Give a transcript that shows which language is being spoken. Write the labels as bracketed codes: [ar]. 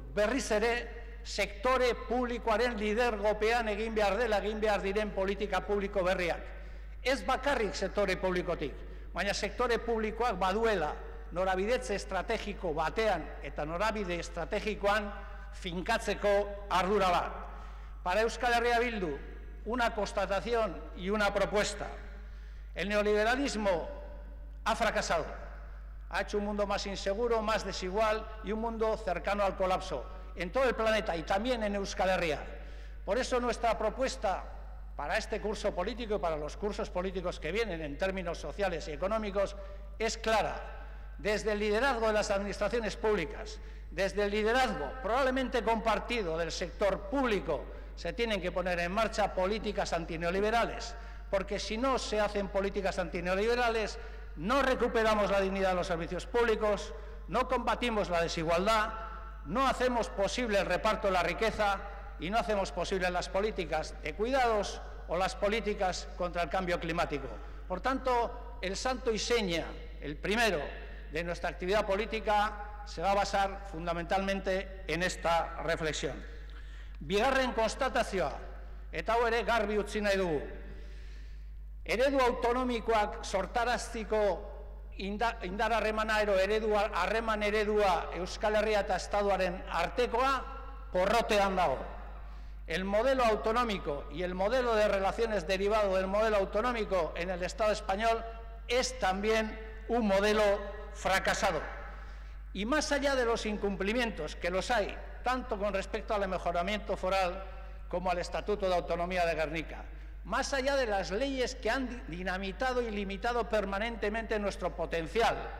[eu] Berriz ere sektore publikoaren lidergopean egin behar dela, egin behar diren politika publiko berriak. Ez bakarrik sektore publikotik, baina sektore publikoak baduela norabidetze estrategiko batean eta norabide estrategikoan finkatzeko ardura bat. [es] Para Euskal Herria Bildu, una constatación y una propuesta. El neoliberalismo ha fracasado. Ha hecho un mundo más inseguro, más desigual y un mundo cercano al colapso en todo el planeta y también en Euskal Herria. Por eso nuestra propuesta para este curso político y para los cursos políticos que vienen en términos sociales y económicos es clara. Desde el liderazgo de las administraciones públicas, desde el liderazgo probablemente compartido del sector público, se tienen que poner en marcha políticas antineoliberales, porque si no se hacen políticas antineoliberales, no recuperamos la dignidad de los servicios públicos, no combatimos la desigualdad, no hacemos posible el reparto de la riqueza y no hacemos posible las políticas de cuidados o las políticas contra el cambio climático. Por tanto, el santo y seña, el primero de nuestra actividad política, se va a basar fundamentalmente en esta reflexión. [eu] Bigarren konstatazioa, eta hau ere garbi utzi nahi dugu. Eredu autonomikoak sortaraztiko indar harremana ero eredua Euskal Herria eta Estatuaren artekoa porrotean dago. [es] El modelo autonómico y el modelo de relaciones derivado del modelo autonómico en el Estado español es también un modelo fracasado. Y más allá de los incumplimientos, que los hay, tanto con respecto al mejoramiento foral como al Estatuto de Autonomía de Guernica, más allá de las leyes que han dinamitado y limitado permanentemente nuestro potencial,